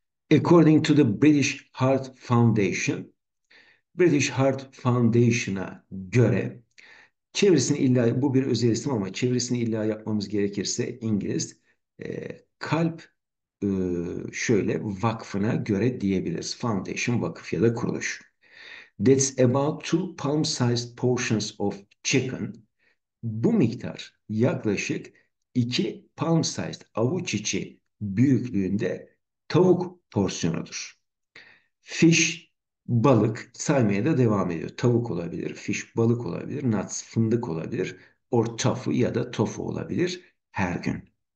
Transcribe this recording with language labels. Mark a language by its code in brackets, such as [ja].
[en] According to the British Heart Foundation, [tr] British Heart Foundation'a göre, bu bir özel isim ama çevirisini illa yapmamız gerekirse İngiliz, kalp şöyle vakfına göre diyebiliriz. Foundation, vakıf ya da kuruluş. [en] That's about two palm-sized portions of chicken. [tr] Bu miktar yaklaşık iki palm-sized, avuç içi büyüklüğünde tavuk porsiyonudur. Fish, balık, saymaya da devam ediyor. Tavuk olabilir, fish, balık olabilir, nuts, fındık olabilir, [en] or tofu [tr] ya da tofu olabilir her gün.